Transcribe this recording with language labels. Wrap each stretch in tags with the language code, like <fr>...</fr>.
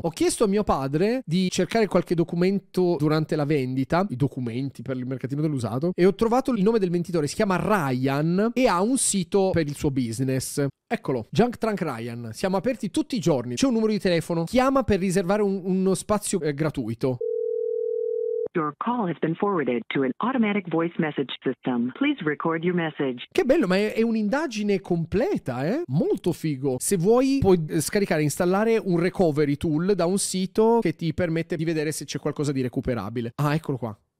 <it>Ho chiesto a mio padre di cercare qualche documento durante la vendita, i documenti per il mercatino dell'usato, e ho trovato il nome del venditore. Si chiama Ryan e ha un sito per il suo business. Eccolo, Junk Trunk Ryan. Siamo aperti tutti i giorni. C'è un numero di telefono. Chiama per riservare uno spazio gratuito.</it> <en>Your call has been forwarded to an automatic voice message system. Please record your message.</en> <it>Che bello, ma è un'indagine completa, eh? Molto figo. Se vuoi, puoi scaricare e installare un recovery tool da un sito che ti permette di vedere se c'è qualcosa di recuperabile. Ah, eccolo qua.</it>